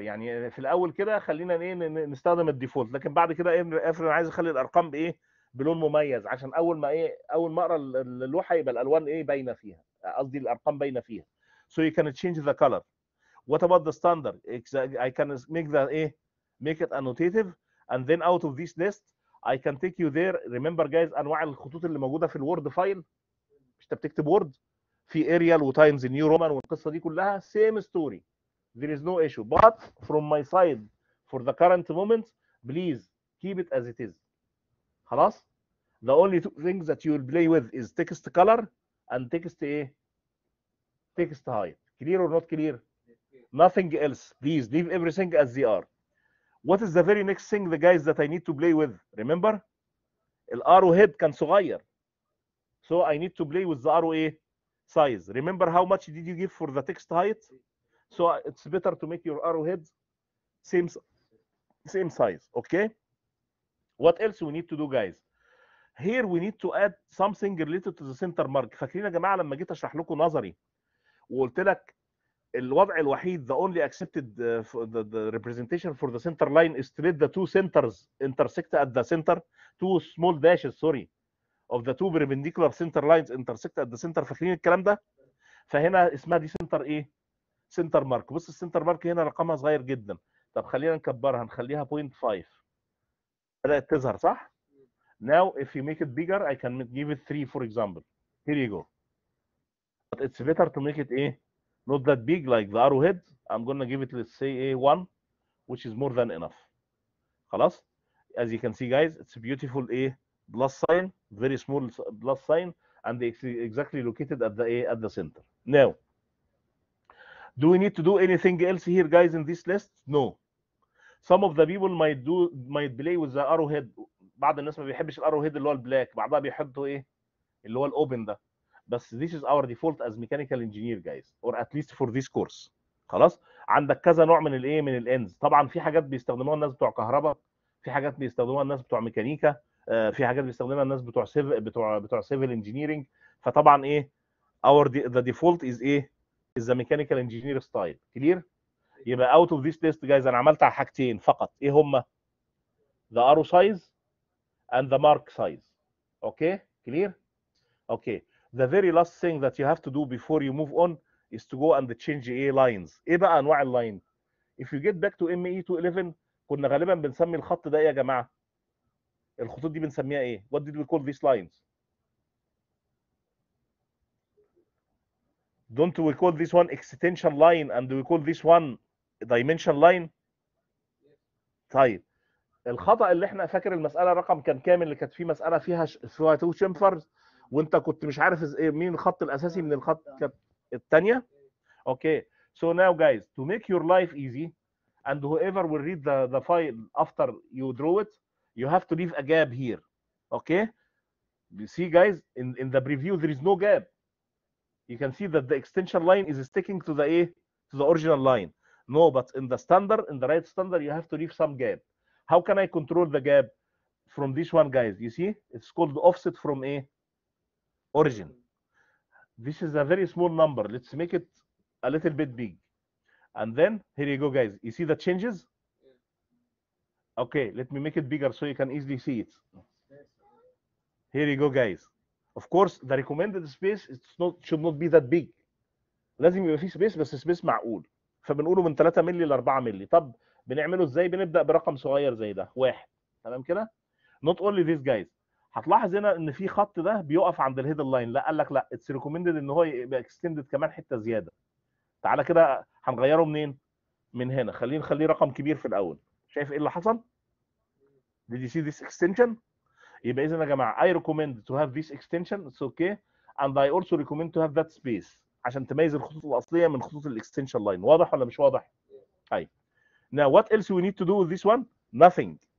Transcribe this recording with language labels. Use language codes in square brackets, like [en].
[ar] يعني في الاول كده خلينا نستخدم الديفولت، لكن بعد كده انا عايز اخلي الارقام بايه؟ بلون مميز، عشان اول ما ايه اول ما اقرا اللوحه يبقى الالوان ايه باينه فيها، قصدي الارقام باينه فيها. [en] So you can change the color. What about the standard? I can make the ايه؟ make it annotative. And then out of this list, I can take you there. Remember guys [ar] انواع الخطوط اللي موجوده في الوورد فايل؟ مش انت بتكتب وورد؟ في اريال وتايمز نيو رومان والقصه دي كلها، سيم ستوري. [en] There is no issue, but from my side, for the current moment, please keep it as it is. [ar] خلاص. [en] The only two things that you will play with is text color and text a text height. Clear or not clear? Nothing else. Please leave everything as they are. What is the very next thing, the guys, that I need to play with? Remember, the arrow head [ar] كان صغير, [en] so I need to play with the arrow a size. Remember how much did you give for the text height? So it's better to make your arrowheads same size, okay? What else we need to do, guys? Here we need to add something related to the center mark. [ar] فاكرين يا جماعة لما جيت أشرح لكم نظري وقلت لك الوضع الوحيد [en] the only accepted the representation for the center line is to let the two centers intersect at the center, two small dashes, sorry, of the two perpendicular center lines intersect at the center. [ar] فاكرين الكلام ده؟ فهنا اسمها دي سنتر إيه؟ سنتر مارك. بص السنتر مارك هنا رقمها صغير جدا. طب خلينا نكبرها، نخليها 0.5. بدأت تظهر صح؟ [en] Now if you make it bigger I can give it 3 for example. Here you go. But it's better to make it not that big like the arrowhead. I'm gonna give it let's say 1 which is more than enough. خلاص؟ As you can see guys it's beautiful plus sign, very small plus sign and exactly located at the at the center. Now do we need to do anything else here, guys, in this list? No. Some of the people might play with the arrowhead. [ar] بعض الناس ما بيحبش الarrowhead اللي هو البلاك، بعضها بيحطوا ايه؟ اللي هو الاوبن ده. [en] بس this is our default as mechanical engineer, guys, or at least for this course. [ar] خلاص؟ عندك كذا نوع من الايه؟ من الانز. طبعا في حاجات بيستخدموها الناس بتوع كهرباء، في حاجات بيستخدموها الناس بتوع ميكانيكا، في حاجات بيستخدمها الناس بتوع سيفل انجينيرنج. فطبعا ايه؟ [en] our the default is ايه؟ is the mechanical engineer style. Clear? [ar] يبقى [en] out of this list guys [ar] انا عملت على حاجتين فقط. ايه هما؟ [en] The arrow size and the mark size. Okay? Clear? Okay. The very last thing that you have to do before you move on is to go and change A lines. [ar] ايه بقى انواع اللاين؟ [en] If you get back to ME211 [ar] كنا غالبا بنسمي الخط ده ايه يا جماعه؟ الخطوط دي بنسميها ايه؟ [en] What did we call these lines? Don't we call this one extension line and we call this one dimension line? [ar] طيب الخطا اللي احنا فاكر المساله رقم كان كامل اللي كانت في مساله فيها تو شمفرز وانت كنت مش عارف مين الخط الاساسي من الخط الثانيه. [en] Okay so now guys to make your life easy and whoever will read the file after you draw it you have to leave a job here. Okay see guys in the preview there is no job. You can see that the extension line is sticking to the original line. No, but in the standard, in the right standard, you have to leave some gap. How can I control the gap from this one, guys? You see, it's called offset from a origin. This is a very small number. Let's make it a little bit big. And then here you go, guys. You see the changes? Okay, let me make it bigger so you can easily see it. Here you go, guys. Of course the recommended space it's not should not be that big. [ar] لازم يبقى في سبيس بس سبيس معقول. فبنقوله من 3 مللي ل 4 مللي. طب بنعمله ازاي؟ بنبدا برقم صغير زي ده 1. تمام كده؟ [en] Not only this guys. [ar] هتلاحظ هنا ان في خط ده بيقف عند الهيد لاين. لا قال لك لا اتس ريكومندد ان هو يبقى اكستندد كمان حته زياده. تعالى كده هنغيره منين؟ من هنا. خليه رقم كبير في الاول. شايف ايه اللي حصل؟ [en] Did you see this extension? [ar] يبقى اذا يا جماعه [en] I recommend to have this extension it's okay and I also recommend to have that space [ar] عشان تميز الخطوط الاصليه من خطوط الاكستنشن لاين. واضح ولا مش واضح؟ طيب. [en] Now what else we need to do with this one? Nothing.